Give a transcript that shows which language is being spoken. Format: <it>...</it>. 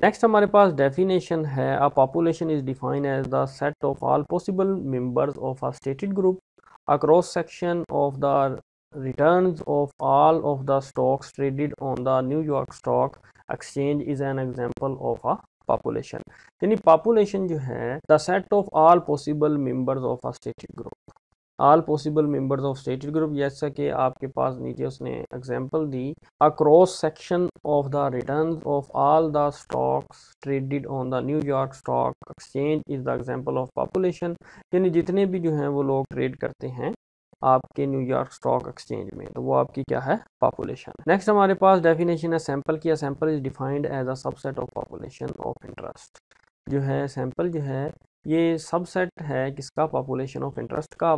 <ur>Next ہمارے پاس definition ہے،</ur> <en>A population is define as the set of all possible members of a stated group a cross section of the returns of all of the stocks traded on the New York Stock Exchange is an example of a population.</en> <ur>یعنی</ur> <en>population جو ہے the set of all possible members of a stated group. All possible members of stated group</en> <ur>جیسا کہ آپ کے پاس نیچے اس نے example the,</ur> <en>a cross section of the returns of all the stocks traded on the New York Stock Exchange is the example of population.</en> <ur>یعنی جتنے بھی جو ہیں وہ لوگ ٹریڈ کرتے ہیں آپ کے نیو یارک اسٹاک ایکسچینج میں، تو وہ آپ کی کیا ہے، پاپولیشن. نیکسٹ ہمارے پاس ڈیفینیشن ہے سیمپل کی،</ur> <en>Sample is defined as a subset of population of interest.</en> <ur>جو ہے سیمپل جو ہے یہ سب سیٹ ہے کس کا، پاپولیشن آف انٹرسٹ کا.</ur>